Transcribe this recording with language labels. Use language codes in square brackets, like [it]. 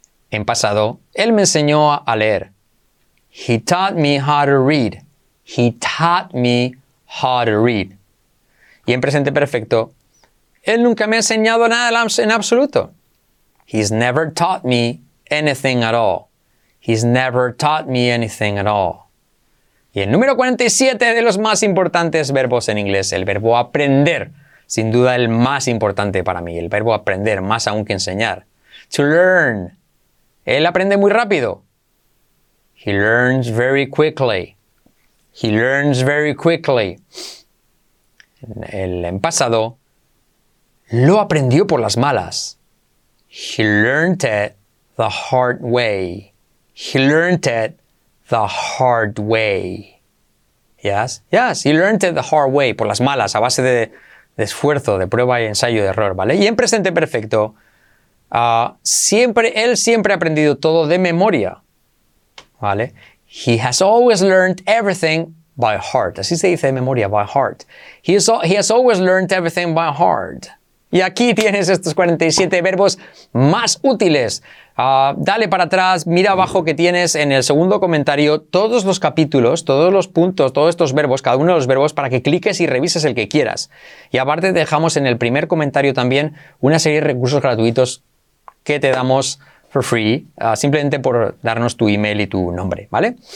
[es] En pasado, él me enseñó a leer. [en] He taught me how to read. He taught me how to read. [es] Y en presente perfecto, él nunca me ha enseñado nada en absoluto. [en] He's never taught me anything at all. He's never taught me anything at all. [es] Y el número 47 de los más importantes verbos en inglés, el verbo aprender, sin duda el más importante para mí, el verbo aprender, más aún que enseñar. [en] To learn. [es] Él aprende muy rápido. [en] He learns very quickly. He learns very quickly. [es] En pasado, lo aprendió por las malas. [en] He learned it the hard way. He learned it the hard way. Yes, yes, he learned it the hard way, [es] por las malas, a base de esfuerzo, de prueba y ensayo de error, ¿vale? Y en presente perfecto, él siempre ha aprendido todo de memoria, ¿vale? [en] He has always learned everything by heart. [es] Así se dice de memoria, [en] by heart. He has always learned everything by heart. [es] Y aquí tienes estos 47 verbos más útiles. Dale para atrás, mira abajo que tienes en el segundo comentario todos los capítulos, todos los puntos, todos estos verbos, cada uno de los verbos, para que cliques y revises el que quieras. Y aparte dejamos en el primer comentario también una serie de recursos gratuitos que te damos [en] for free, [es] simplemente por darnos tu email y tu nombre, ¿vale?